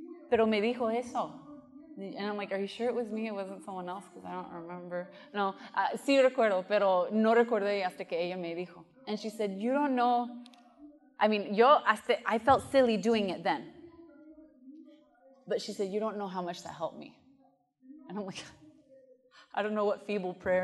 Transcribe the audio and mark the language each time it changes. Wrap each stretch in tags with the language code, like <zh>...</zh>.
<es>pero me dijo eso.</es> <en>And I'm like, are you sure it was me? It wasn't someone else? Because I don't remember.</en> <es>No, sí recuerdo, pero no recordé hasta que ella me dijo.</es> <en>And she said, you don't know. I mean, I felt silly doing it then. But she said, you don't know how much that helped me. And I'm like, I don't know what feeble prayer.</en>